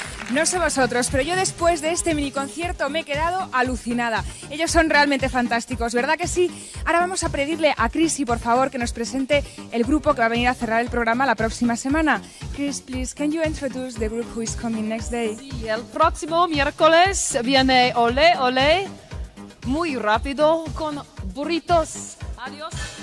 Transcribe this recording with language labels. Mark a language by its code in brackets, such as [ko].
[es] No sé vosotros, pero yo después de este mini concierto me he quedado alucinada. Ellos son realmente fantásticos, ¿verdad que sí? Ahora vamos a pedirle a Chris, por favor, que nos presente el grupo que va a venir a cerrar el programa la próxima semana. [en] Chris, please, can you introduce the group who is coming next day? [es] Sí, el próximo miércoles viene Olé Olé, muy rápido, con burritos. Adiós.